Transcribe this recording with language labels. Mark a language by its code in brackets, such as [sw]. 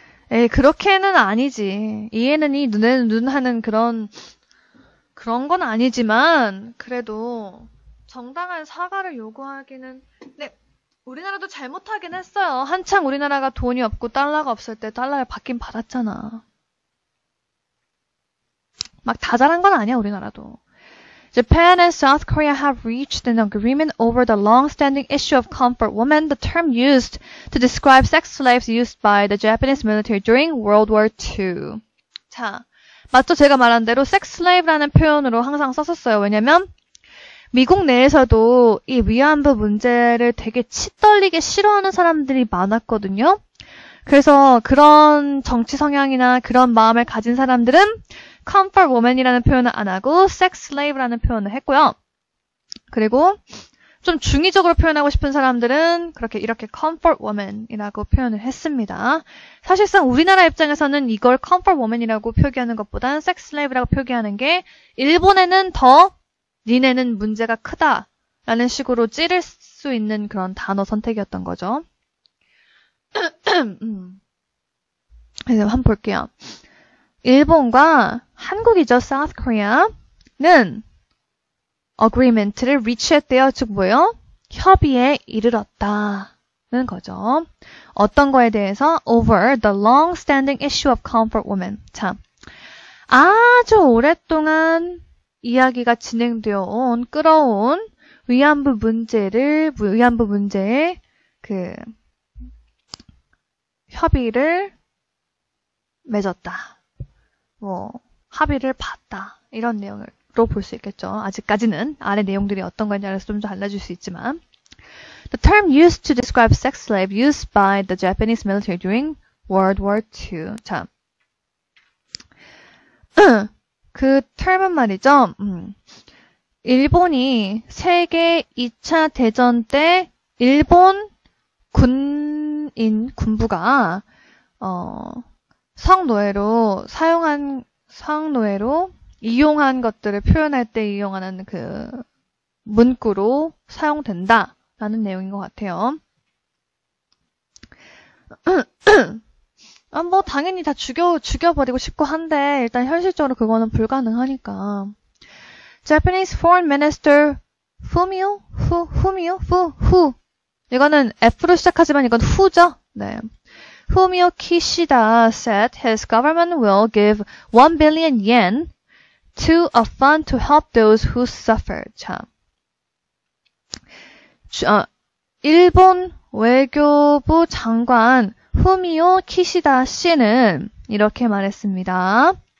[ko] 에이, 그렇게는 아니지. 이해는 이 눈에는 눈 하는 그런 건 아니지만, 그래도 정당한 사과를 요구하기는, 네. 우리나라도 잘못하긴 했어요. 한창 우리나라가 돈이 없고 달러가 없을 때 달러를 받긴 받았잖아. 막다 잘한 건 아니야, 우리나라도. [en] Japan and South Korea have reached an agreement over the long-standing issue of comfort women, the term used to describe sex slaves used by the Japanese military during World War II. [ko] 자, 맞죠? 제가 말한 대로 sex slave라는 표현으로 항상 썼었어요. 왜냐면 미국 내에서도 이 위안부 문제를 되게 치떨리게 싫어하는 사람들이 많았거든요. 그래서 그런 정치 성향이나 그런 마음을 가진 사람들은 Comfort woman이라는 표현을 안 하고 sex slave라는 표현을 했고요. 그리고 좀 중의적으로 표현하고 싶은 사람들은 그렇게 이렇게 comfort woman이라고 표현을 했습니다. 사실상 우리나라 입장에서는 이걸 comfort woman이라고 표기하는 것보단 sex slave라고 표기하는 게 일본에는 더 니네는 문제가 크다라는 식으로 찌를 수 있는 그런 단어 선택이었던 거죠. 이제 한번 볼게요. 일본과 한국이죠, South Korea는 agreement를 reach했대요. 즉, 뭐예요? 협의에 이르렀다는 거죠. 어떤 거에 대해서? [en] Over the long-standing issue of comfort women. [ko] 자, 아주 오랫동안 이야기가 진행되어 온, 끌어온 위안부 문제의 그 협의를 맺었다. 뭐, 합의를 봤다. 이런 내용으로 볼수 있겠죠. 아직까지는 아래 내용들이 어떤 거냐에 대해서 좀더 알려줄 수 있지만. [en] The term used to describe sex slave used by the Japanese military during World War II. [ko] 자. 그 term은 말이죠. 일본이 세계 2차 대전 때 일본 군부가, 성노예로 이용한 것들을 표현할 때 이용하는 그 문구로 사용된다라는 내용인 것 같아요. 아, 뭐, 당연히 다 죽여버리고 싶고 한데, 일단 현실적으로 그거는 불가능하니까. [en] Japanese Foreign Minister, [ko] 후미오? 후미오? 후. 이거는 F로 시작하지만 이건 후죠? 네. [en] Fumio Kishida said his government will give 1 billion yen to a fund to help those who suffered. [ko] 자, 일본 외교부 장관 후미오 키시다 씨는 이렇게 말했습니다.